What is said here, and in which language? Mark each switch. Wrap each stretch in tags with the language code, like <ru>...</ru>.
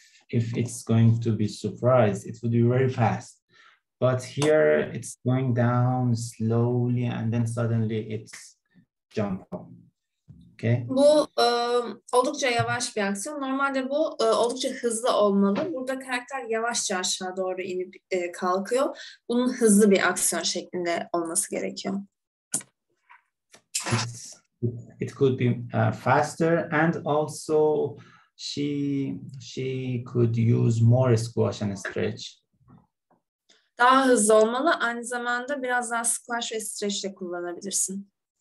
<en>If it's going to be surprised, it would be very fast. But here it's going down slowly and then suddenly it's jump up. Okay.</en> <tr>Bu oldukça yavaş bir aksiyon. Normalde bu oldukça hızlı olmalı. Burada karakter yavaşça aşağı doğru inip kalkıyor. Bunun hızlı bir aksiyon şeklinde olması gerekiyor.</tr> <en>It could be faster, and also she could use more squash and stretch.</en> <tr>Daha hızlı olmalı. Aynı zamanda biraz daha squash ve stretch de kullanabilirsin.</tr>